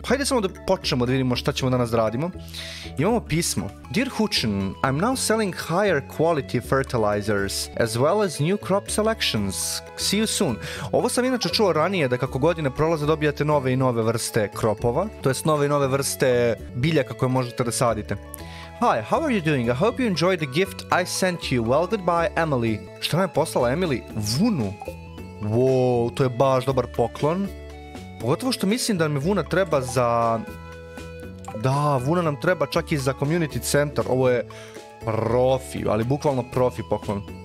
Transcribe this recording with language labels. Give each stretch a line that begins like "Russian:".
Serbian: Hajde samo da počnemo da vidimo šta ćemo danas da radimo. Imamo pismo.
English: Dear Hutchin, I'm now selling higher quality fertilizers as well as new crop selections. See you soon.
Serbian: Ovo sam inače čuo ranije, da kako godine prolaze dobijate nove i nove vrste kropova, to jest nove i nove vrste biljaka koje možete da sadite.
English: Hi, how are you doing? I hope you enjoyed the gift I sent you. Well, goodbye, Emily.
Serbian: Šta nam je poslala Emily? Vunu. Wow, to je baš dobar poklon. Pogotovo što mislim da mi vuna treba za... Da, vuna nam treba čak i za community center. Ovo je profi, ali bukvalno profi poklon.